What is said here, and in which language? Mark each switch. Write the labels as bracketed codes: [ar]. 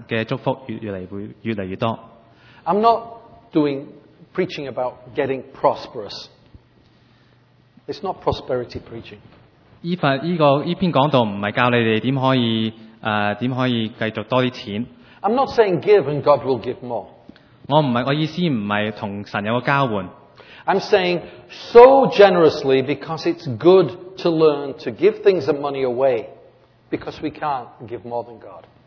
[zh] 我真的很想認真跟你說,你是給得越多的,神的祝福越來越多。 [en] I'm not doing preaching about getting prosperous. It's not prosperity preaching. [zh] 這篇講道不是教你們怎可以繼續多些錢。 [en] I'm not saying give and God will give more. [zh] 我意思不是跟神有個交換。 [en] I'm saying so generously because it's good to learn to give things and money away because we can't give more than God.